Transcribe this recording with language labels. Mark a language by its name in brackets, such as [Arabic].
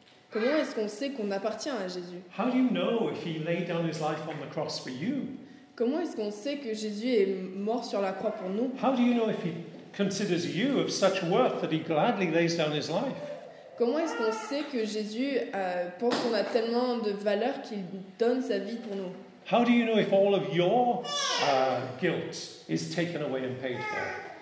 [French] Comment est-ce qu'on sait qu'on appartient à Jésus? [English] How do you know if he laid down his life on the cross for you? [French] Comment est-ce qu'on sait que Jésus est mort sur la croix pour nous? [English] How do you know if he considers you of such worth that he gladly lays down his life? [French] Comment est-ce qu'on sait que Jésus pense qu'on a tellement de valeur qu'il donne sa vie pour nous? [English] How do you know if all of your guilt is taken away and paid for?